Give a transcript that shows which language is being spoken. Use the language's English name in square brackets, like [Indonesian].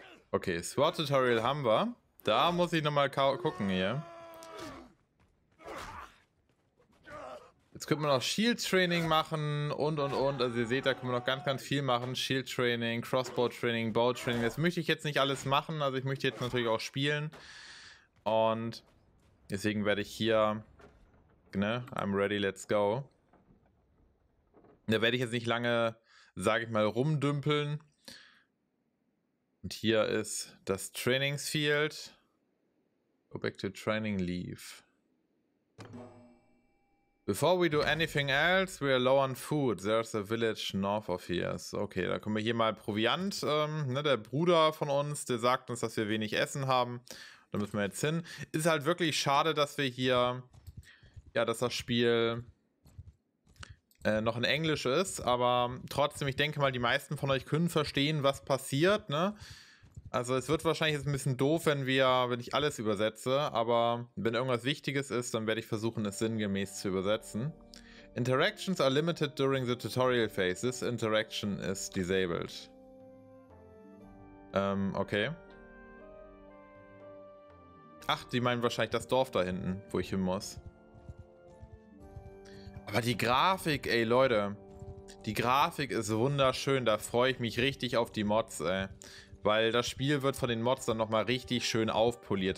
[German] Okay, Sword Tutorial haben wir. Da muss ich nochmal gucken hier. Jetzt könnte man noch Shield Training machen und. Also ihr seht, da können wir noch ganz, ganz viel machen. [English] Shield Training, Crossbow Training, Bow Training. [German] Das möchte ich jetzt nicht alles machen. Also ich möchte jetzt natürlich auch spielen. Und deswegen werde ich hier, ne, [English] I'm ready, let's go. [German] Da werde ich jetzt nicht lange, sage ich mal, rumdümpeln. Und hier ist das Trainingsfield. [English] Go back to training leave. Before we do anything else, we are low on food. There's a village north of here. [German] Okay, da kommen wir hier mal Proviant. Ne, der Bruder von uns, der sagt uns, dass wir wenig Essen haben. Da müssen wir jetzt hin. Ist halt wirklich schade, dass wir hier, ja, dass das Spiel noch in Englisch ist, aber trotzdem, ich denke mal, die meisten von euch können verstehen, was passiert, ne? Also es wird wahrscheinlich jetzt ein bisschen doof, wenn ich alles übersetze, aber wenn irgendwas Wichtiges ist, dann werde ich versuchen, es sinngemäß zu übersetzen. [English] Interactions are limited during the tutorial phase. This interaction is disabled. [German] Okay. Ach, die meinen wahrscheinlich das Dorf da hinten, wo ich hin muss. Aber die Grafik, ey, Leute. Die Grafik ist wunderschön. Da freue ich mich richtig auf die Mods, ey. Weil das Spiel wird von den Mods dann nochmal richtig schön aufpoliert.